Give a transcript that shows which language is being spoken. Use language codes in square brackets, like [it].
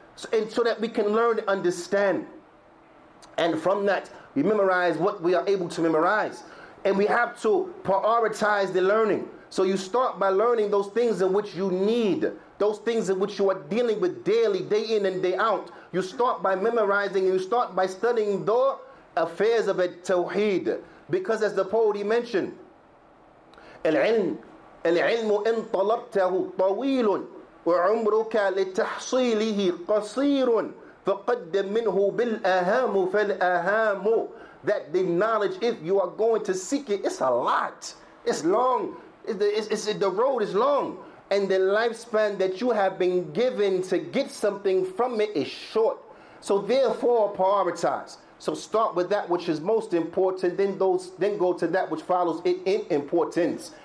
[en] So that we can learn and understand. And from that, we memorize what we are able to memorize. And we have to prioritize the learning. So you start by learning those things in which you need. those things in which you are dealing with daily, day in and day out, you start by memorizing, you start by studying the affairs of a tawheed. [ar] Because as the poet he mentioned, العلم إن طلبته طويل وعمرك لتحصيله قصير فقدم منه بالأهام فالأهام. [en] That the knowledge, if you are going to seek it, it's a lot. It's long. The road is long. And the lifespan that you have been given to get something from it is short. So therefore, prioritize. So start with that which is most important, then go to that which follows it in importance.